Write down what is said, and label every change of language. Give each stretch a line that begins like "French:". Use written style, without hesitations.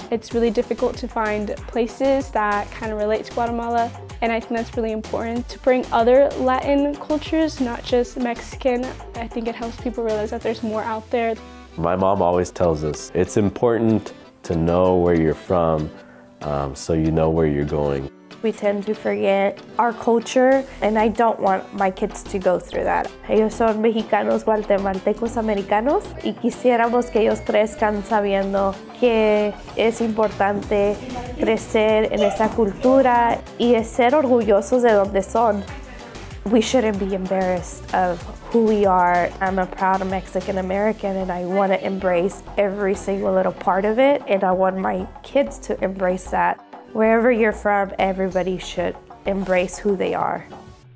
English: It's really difficult to find places that kind of relate to Guatemala, and I think that's really important to bring other Latin cultures, not just Mexican. I think it helps people realize that there's more out there. My mom always tells us it's important to know where you're from so you know where you're going. We tend to forget our culture, and I don't want my kids to go through that.
Spanish: Ellos son mexicanos, guatemaltecos, americanos, y quisiéramos que ellos crezcan sabiendo que es importante crecer en esa cultura y ser orgullosos de donde son.
English: We shouldn't be embarrassed of who we are. I'm a proud Mexican-American, and I want to embrace every single little part of it, and I want my kids to embrace that. Wherever you're from, everybody should embrace who they are.